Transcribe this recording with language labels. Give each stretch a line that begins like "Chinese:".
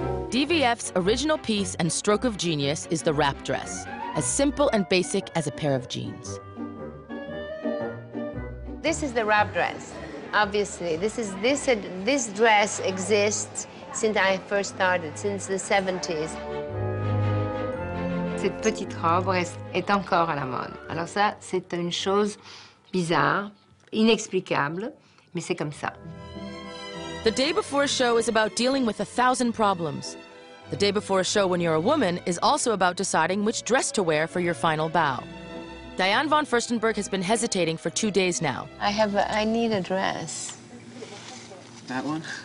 English: DVF's original piece and stroke of genius is the wrap dress, as simple and basic as a pair of jeans. This is the wrap dress, obviously. This dress exists since I first started, since the 70s.
French: Cette petite robe est encore à la mode. Alors ça, c'est une chose bizarre, inexplicable, mais c'est comme ça.
English: The day before a show is about dealing with 1,000 problems. The day before a show when you're a woman is also about deciding which dress to wear for your final bow. Diane Von Furstenberg has been hesitating for 2 days now. I need a dress. That one?